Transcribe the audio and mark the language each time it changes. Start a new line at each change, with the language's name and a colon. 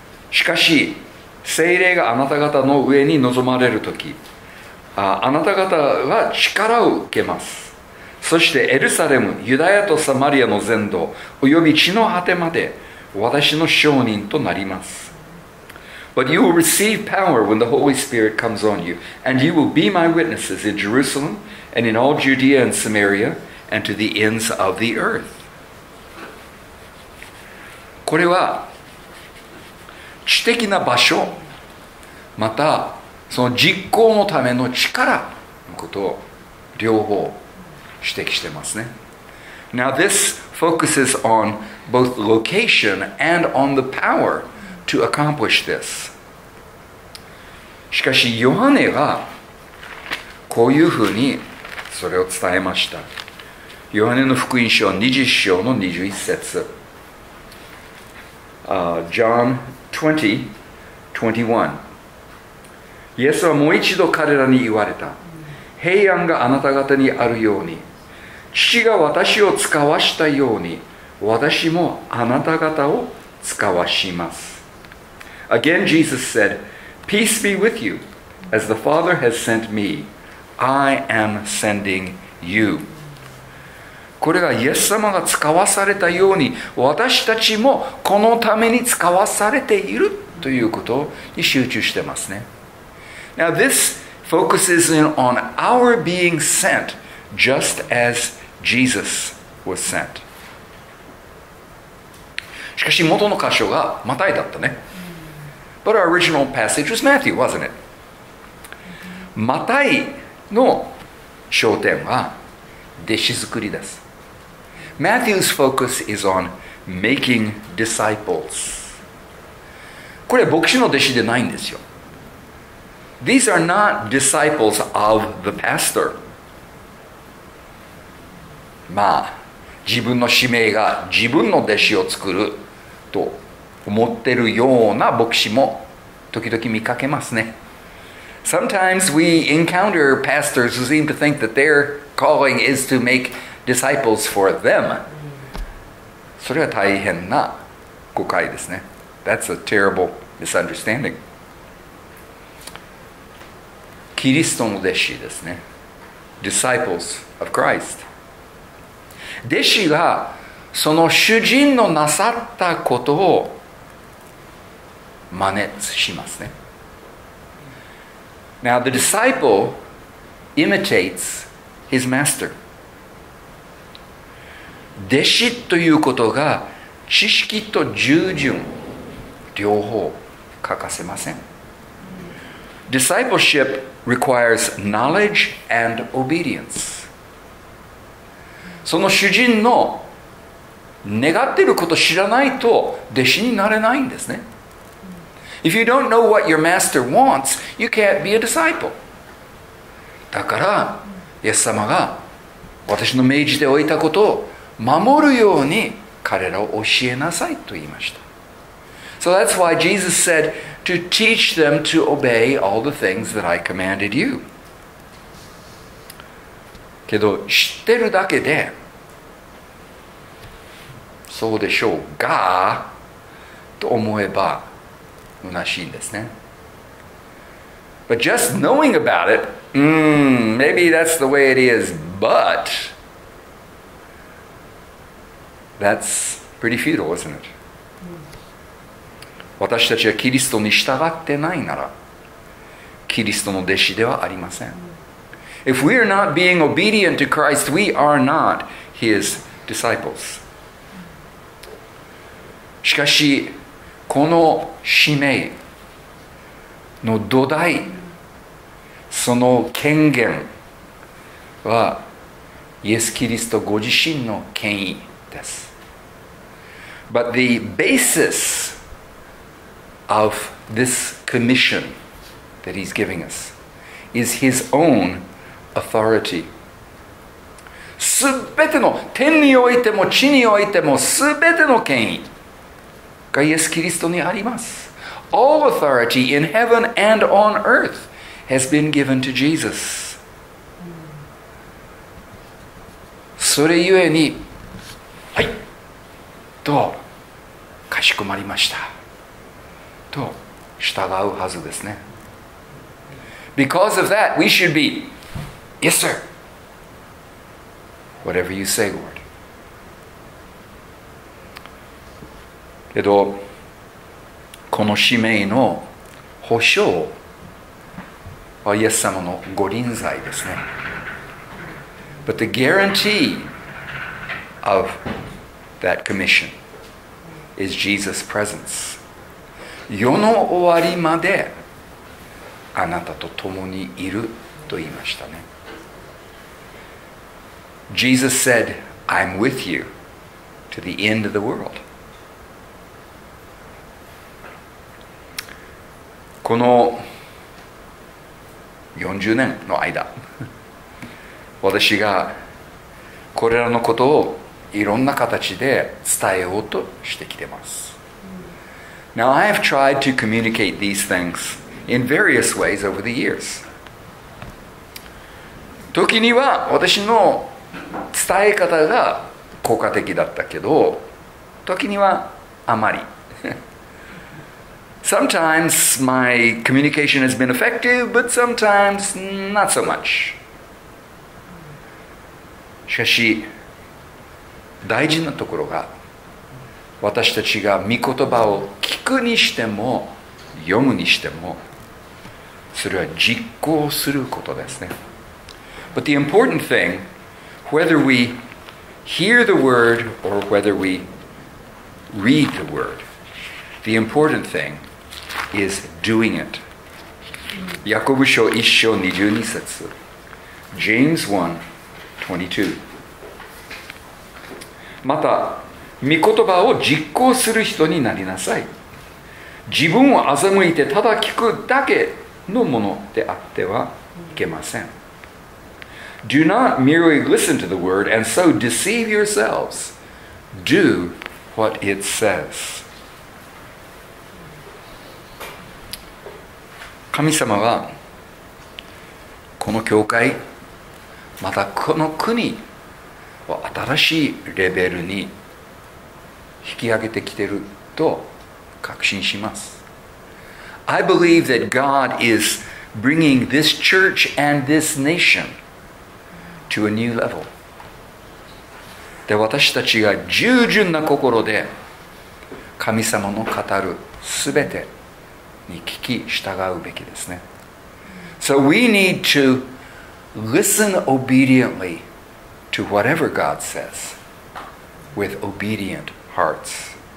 Japanese: しかし、聖霊があなた方の上に臨まれるとき、あなた方は力を受けます。そしてエルサレム、ユダヤとサマリアの全土、および地の果てまで私の証人となります。
English: But you will receive power when the Holy Spirit comes on you, and you will be my witnesses in Jerusalem, and in all Judea and Samaria, and to the ends of the earth.
Japanese: これは知的な場所、またその実行のための力のことを両方指摘してますね。
English: Now this focuses on both location and on the power to accomplish this.
Japanese: しかしヨハネはこういうふうにそれを伝えました。ヨハネの福音書20章の21節。
English: John 20:21
Japanese: イエスはもう一度彼らに言われた平安があなた方にあるように父が私を使わしたように私もあなた方を使わします
English: Again Jesus said Peace be with you As the Father has sent me I am sending you
Japanese: これがイエス様が使わされたように私たちもこのために使わされているということに集中してますね。
English: Now this focuses in on our being sent just as Jesus was sent.
Japanese: しかし元の箇所がマタイだったね。
English: But our original passage was Matthew, wasn't it?
Japanese: マタイの焦点は弟子作りです。
English: Matthew's focus is on making disciples.
Japanese: これ牧師の弟子でないんですよ。
English: These are not disciples of the pastor.
Japanese: まあ、自分の使命が自分の弟子を作ると思ってるような牧師も時々見かけますね。
English: Sometimes we encounter pastors who seem to think that their calling is to make disciples for them.
Japanese: それは大変な誤解ですね。
English: That's a terrible misunderstanding.
Japanese: キリストの弟子ですね。
English: disciples of Christ.
Japanese: 弟子がその主人のなさったことを真似しますね。
English: Now the disciple imitates his master.
Japanese: 弟子ということが知識と従順両方欠かせません。
English: Discipleship requires knowledge and obedience.
Japanese: その主人の願っていることを知らないと弟子になれないんですね。
English: If you don't know what your master wants, you can't be a disciple.
Japanese: だから、イエス様が私の命じておいたことを守るように彼らを教えなさいと言いました。
English: So that's why Jesus said to teach them to obey all the things that I commanded you.
Japanese: けど知ってるだけで、そうでしょうがと思えば虚しいんですね。
English: But just knowing about it, maybe that's the way it is, but that's pretty futile, isn't it?
Japanese: 私たちはキリストに従ってないなら、キリストの弟子ではありません。
English: If we are not being obedient to Christ, we are not his disciples.
Japanese: しかし、この使命の土台、その権限は、イエス・キリストご自身の権威です。
English: But the basisof this commission that he's giving us is his own authority.
Japanese: すべての天においても地においてもすべての権威がイエス・キリストにあります。
English: All authority in heaven and on earth has been given to Jesus.
Japanese: それゆえに、はい、とかしこまりました。従うはずですね。
English: Because of that, we should be, yes, sir. Whatever you say, Lord.
Japanese: けど、この使命の保証はイエス様のご臨在ですね。
English: But the guarantee of that commission is Jesus' presence.
Japanese: 世の終わりまであなたと共にいると言いましたね。
English: Jesus said, I'm with you to the end of the world.
Japanese: この40年の間、私がこれらのことをいろんな形で伝えようとしてきてます。
English: Now, I have tried to communicate these things in various ways over the years.
Japanese: 時には私の伝え方が効果的だったけど、時にはあまり。
English: Sometimes my communication has been effective, but sometimes not so much.
Japanese: しかし、大事なところが、私たちが御言葉を聞くにしても読むにしてもそれは実行することですね。
English: But the important thing, whether we hear the word or whether we read the word, the important thing is doing it.
Japanese: ヤコブ書一章二十二節
English: James 1:22
Japanese: また御言葉を実行する人になりなさい。自分を欺いてただ聞くだけのものであってはいけません。
English: Do not merely listen to the word and so deceive yourselves. Do what it says.
Japanese: 神様はこの教会、またこの国を新しいレベルに引き上げてきてると確信します。
English: I believe that God is bringing this church and this nation to a new level.
Japanese: で、私たちが従順な心で神様の語るすべてに聞き従うべきですね。
English: So we need to listen obediently to whatever God says with obedient hearts.